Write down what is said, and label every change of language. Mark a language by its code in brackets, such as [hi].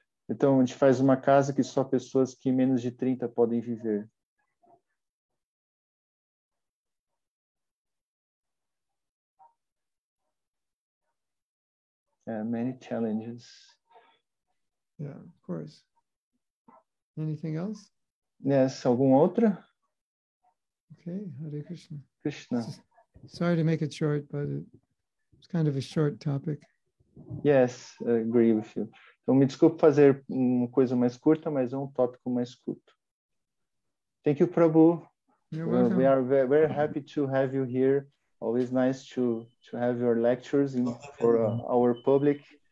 [pt] Então a gente faz uma casa que só pessoas que menos de 30 podem viver. [en] Many challenges. Yeah, of course. Anything else? [pt] Yes, alguma outra? [en] Okay, Hare Krishna. Krishna. Sorry to make it short, but it's kind of a short topic. Yes, I agree with you. [pt] Então, me desculpe fazer uma coisa mais curta, mas é tópico mais curto. [en] Thank you, Prabhu. You're welcome. We are very, very happy to have you here. Always nice to have your lectures in for our public.